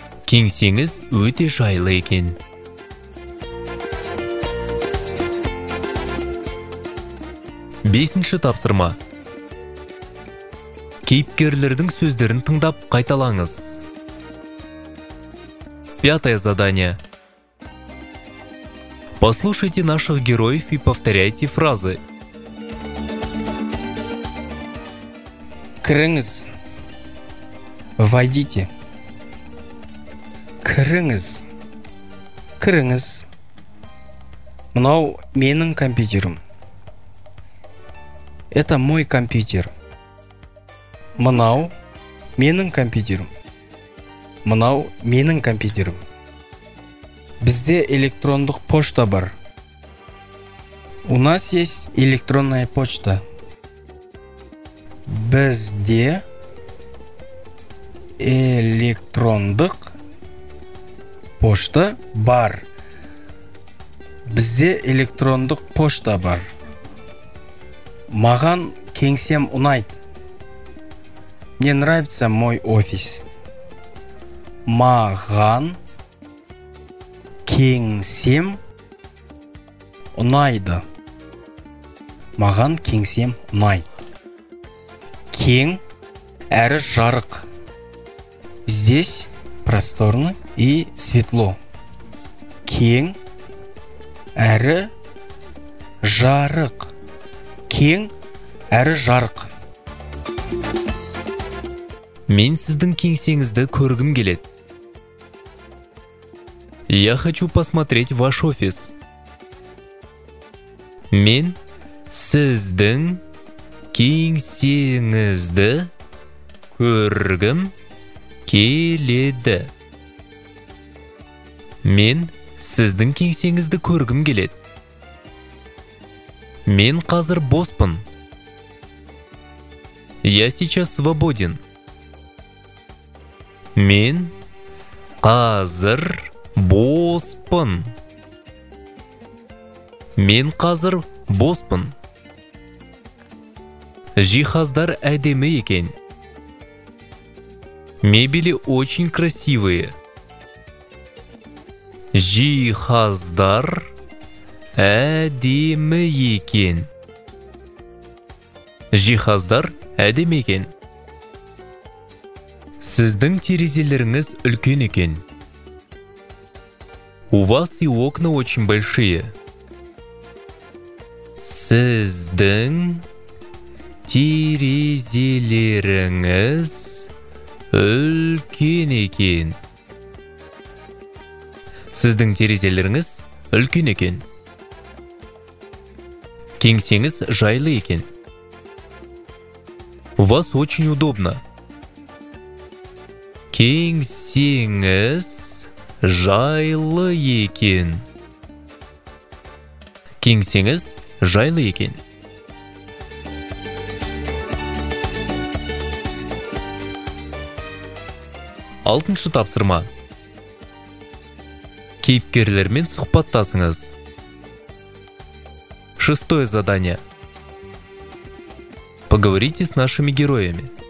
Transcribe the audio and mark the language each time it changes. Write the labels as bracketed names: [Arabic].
[Kazakh] Кеңсеңіз өте жайлы екен. Бесінші тапсырма. Кейіпкерлердің сөздерін тыңдап қайталаңыз. [Russian] Пятое задание. Послушайте наших героев и повторяйте фразы. [Kazakh] Кіріңіз. [Russian] Войдите. [Kazakh] Кіріңіз. Кіріңіз. Мынау менің компьютерім. [Russian] Это мой компьютер. [Kazakh] Мынау менің компьютерім. Мынау менің компьютерім. Бізде электрондық пошта бар. [Russian] У нас есть электронная почта. [Kazakh] Бізде электрондық пошта бар. Бізде электрондық пошта бар. Маған кеңсем ұнайды. [Russian] Мне нравится мой офис. [Kazakh] маған кеңсем ұнайды. Маған кеңсем ұнайды. Кең әрі жарық. [Russian] Здесь просторно и светло. [Kazakh] Кең әрі жарық. Кең әрі жарық. Мен сіздің кеңсеңізді көргім келеді. [Russian] Я хочу посмотреть ваш офис. [Kazakh] Мен сіздің кеңсеңізді көргім келеді. Мен сіздің кеңсеңізді көргім келеді. Мен қазір боспын. [Russian] Я сейчас свободен. [Kazakh] Мен қазір боспын. Мен қазір боспын. Жиһаздар әдемі екен. [Russian] Мебели очень красивые. [Kazakh] Жиһаздар әдемі екен. Жиһаздар әдемі екен. Сіздің терезелеріңіз үлкен екен. [Russian] У вас и окна очень большие. [Kazakh] Сіздің терезелеріңіз үлкен екен. Сіздің терезелеріңіз үлкен екен. Кеңсеңіз жайлы екен. [Russian] У вас очень удобно. [Kazakh] Кеңсеңіз жайлы екен. Кеңсеңіз жайлы екен. Алтыншы тапсырма. Кейіпкерлермен сұхбаттасыңыз. [Russian] Шестое задание. Поговорите с нашими героями.